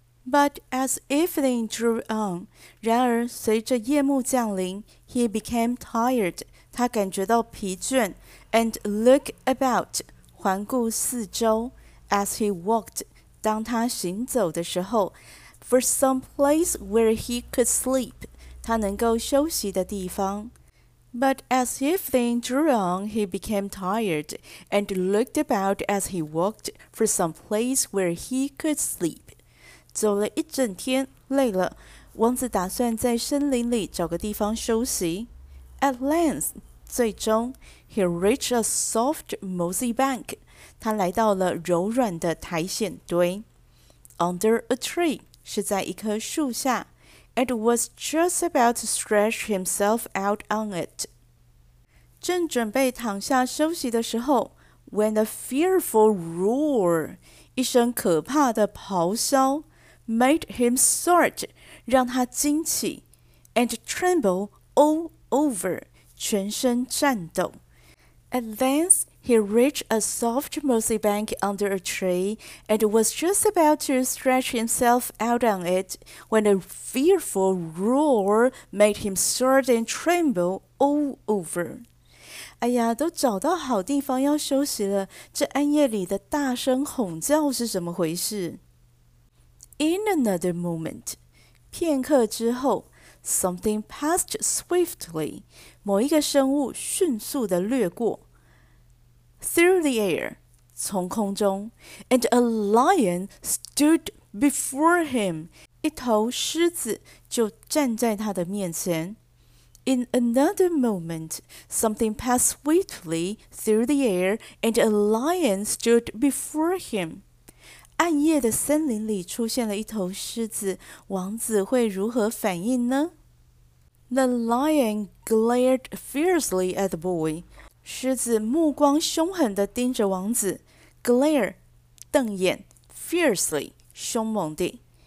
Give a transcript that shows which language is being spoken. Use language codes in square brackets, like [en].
[en] But as evening drew on, [zh] 然而随着夜幕降临 [en] he became tired, [zh] 他感觉到疲倦 [en] and looked about, [zh] 环顾四周 [en] as he walked, [zh] 当他行走的时候 [en] for some place where he could sleep, [zh] 他能够休息的地方。 [en] But as evening drew on, he became tired and looked about as he walked for some place where he could sleep. [zh] 走了一整天，累了，王子打算在森林里找个地方休息。 [en] At length, [zh] 最终 [en] he reached a soft, mossy bank. [zh] 他来到了柔软的苔藓堆。 [en] Under a tree, [zh] 是在一棵树下。 [en] And was just about to stretch himself out on it. [zh] 正准备躺下休息的时候 [en] when a fearful roar, [zh] 一声可怕的咆哮 [en] made him start, [zh] 让他惊起 [en] and tremble all over, [zh] 全身颤抖。 [en] At length, he reached a soft mossy bank under a tree and was just about to stretch himself out on it when a fearful roar made him start and tremble all over. [zh] 哎呀，都找到好地方要休息了，这暗夜里的大声吼叫是怎么回事？ [en] In another moment, 片刻之后 something passed swiftly, [zh] 某一个生物迅速地掠过 [en] through the air, [zh] 从空中 [en] and a lion stood before him, [zh] 一头狮子就站在他的面前。 [en] In another moment, something passed swiftly through the air and a lion stood before him. [zh] 暗夜的森林里出现了一头狮子，王子会如何反应呢？ [en] The lion glared fiercely at the boy. [zh] 狮子目光凶狠地盯着王子。Glare, 瞪眼 Fiercely, 凶猛地